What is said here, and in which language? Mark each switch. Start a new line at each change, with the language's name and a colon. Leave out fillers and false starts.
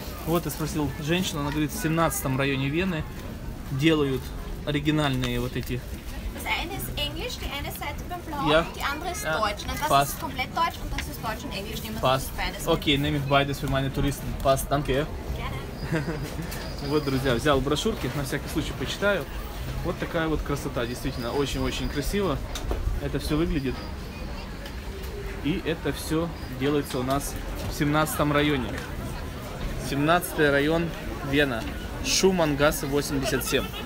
Russian: Вот, я спросил женщину, она говорит, в 17 районе Вены делают оригинальные вот эти.
German: Das eine ist Englisch, die eine Seite beim Blau, ja. Die andere ist ja. Deutsch. Und das Pass. Ist komplett Deutsch und das ist Deutsch und Englisch. Nehmen wir sich beides. Okay, nehme ich beides für meine Touristen. Pass, danke. Gerne.
Russian: Вот, друзья, взял брошюрки, на всякий случай почитаю. Вот такая вот красота, действительно, очень-очень красиво это все выглядит. И это все делается у нас в 17 районе. 17 район Вена, Шумангассе 87.